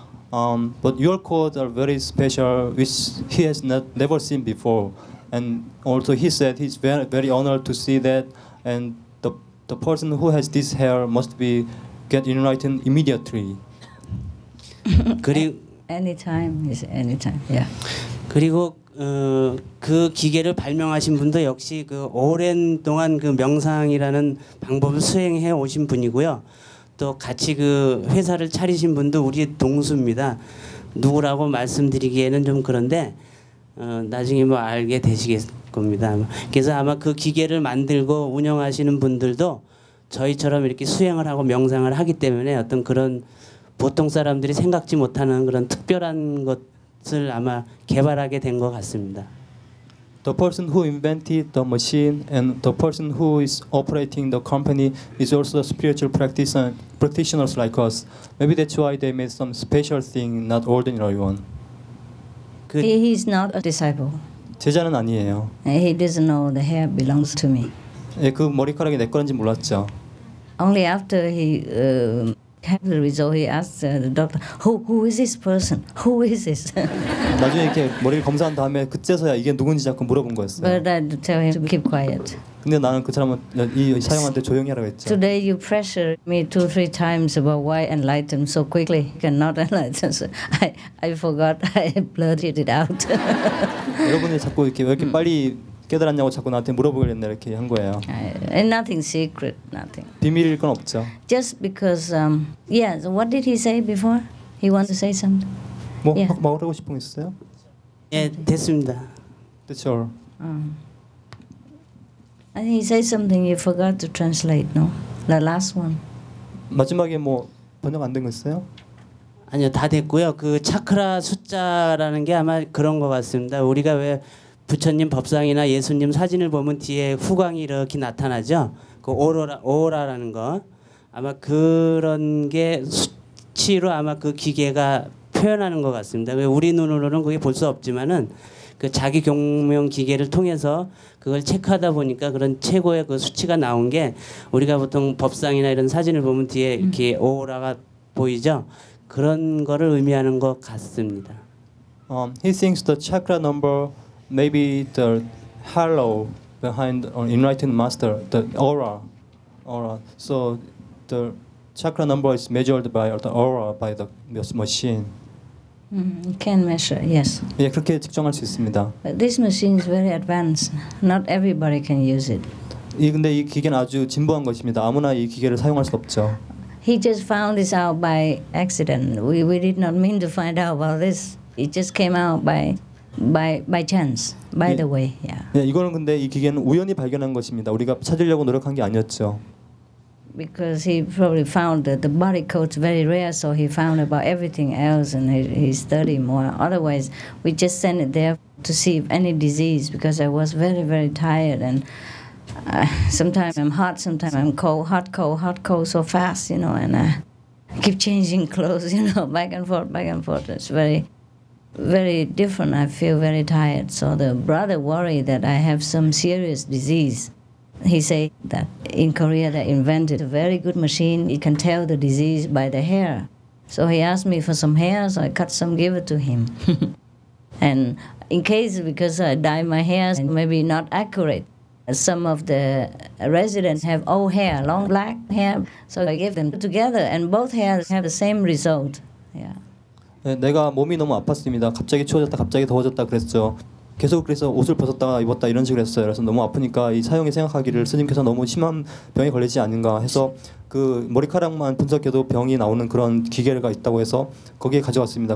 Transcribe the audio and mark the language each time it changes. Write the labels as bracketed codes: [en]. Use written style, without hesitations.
[en] But your codes are very special, which he has never seen before. And also he said he's very, very honored to see that. And the person who has this hair must be get enlightened immediately. Anytime, he said anytime, yeah. [ko] 그리고 그 기계를 발명하신 분도 역시 그 오랜 동안 그 명상이라는 방법을 수행해 오신 분이고요. 또 같이 그 회사를 차리신 분도 우리 동수입니다. 누구라고 말씀드리기에는 좀 그런데 나중에 뭐 알게 되시겠 겁니다. 그래서 아마 그 기계를 만들고 운영하시는 분들도 저희처럼 이렇게 수행을 하고 명상을 하기 때문에 어떤 그런 보통 사람들이 생각지 못하는 그런 특별한 것 [en] The person who invented the machine and the person who is operating the company is also a spiritual practitioner like us. Maybe that's why they made some special thing, not ordinary one. He is not a disciple. [ko] 제자는 아니에요. [en] He doesn't know the hair belongs to me. [ko] 예, 그 머리카락이 내 건지 몰랐죠. [en] Only after he had the result, he asked the doctor, who is this person? Who is this? [ko] 나중에 이렇게 머리를 검사한 다음에 그제서야 이게 누군지 자꾸 물어본 거였어요. [en] But I tell him to keep quiet. [ko] 근데 나는 그 사람은 이 사형한테 조용히 하라고 했죠. [en] Today you pressure me 2-3 times about why enlightened so quickly. You cannot enlighten. So I forgot. I blurted it out. [ko] 여러분이 자꾸 이렇게 왜 이렇게 빨리 깨달았냐고 자꾸 나한테 물어보길래 이렇게 한 거예요. [en] And nothing secret, nothing. [ko] 비밀일 건 없죠. [en] Just because, yeah. So what did he say before? He wants to say something. [ko] 뭐 yeah. 말하고 싶은 게 있어요? 예, 됐습니다. [en] That's all. And he said something you forgot to translate, no? The last one. [ko] 마지막에 뭐 번역 안 된 거 있어요? 아니요, 다 됐고요. 그 차크라 숫자라는 게 아마 그런 거 같습니다. 우리가 왜 부처님 법상이나 예수님 사진을 보면 뒤에 후광이 이렇게 나타나죠. 그 오로라라는 거 아마 그런 게 수치로 아마 그 기계가 표현하는 것 같습니다. 왜 우리 눈으로는 그게 볼 수 없지만은 그 자기 경명 기계를 통해서 그걸 체크하다 보니까 그런 최고의 그 수치가 나온 게 우리가 보통 법상이나 이런 사진을 보면 뒤에 이렇게 오로라가 보이죠. 그런 거를 의미하는 것 같습니다. [en] He thinks the chakra number maybe the halo behind an enlightened master, the aura. So the chakra number is measured by the aura by the machine. You can measure, yes. [ko] 예, 그렇게 측정할 수 있습니다. [en] But this machine is very advanced. Not everybody can use it. [ko] 예, 근데 이 기계는 아주 진보한 것입니다. 아무나 이 기계를 사용할 수 없죠. [en] He just found this out by accident. We did not mean to find out about this. It just came out by chance, by 예, the way, yeah. [ko] 예, 이거는 근데 이 기계는 우연히 발견한 것입니다. 우리가 찾으려고 노력한 게 아니었죠. [en] Because he probably found that the body codes very rare, so he found about everything else, and he studied more. Otherwise, we just sent it there to see if any disease. Because I was very, very tired, and sometimes I'm hot, sometimes I'm cold, hot, cold, hot, cold, so fast, you know, and I keep changing clothes, you know, back and forth, it's very very different. I feel very tired. So the brother worried that I have some serious disease. He said that in Korea they invented a very good machine. It can tell the disease by the hair. So he asked me for some hair, so I cut some, gave it to him. And in case, because I dye my hair, maybe not accurate. Some of the residents have old hair, long black hair. So I gave them together, and both hairs have the same result. Yeah. [ko] 네, 내가 몸이 너무 아팠습니다. 갑자기 추워졌다, 갑자기 더워졌다 그랬죠. 계속 그래서 옷을 벗었다가 입었다 이런 식으로 했어요. 그래서 너무 아프니까 이 사형이 생각하기를 스님께서 너무 심한 병에 걸리지 않은가 해서 그 머리카락만 분석해도 병이 나오는 그런 기계가 있다고 해서 거기에 가져왔습니다.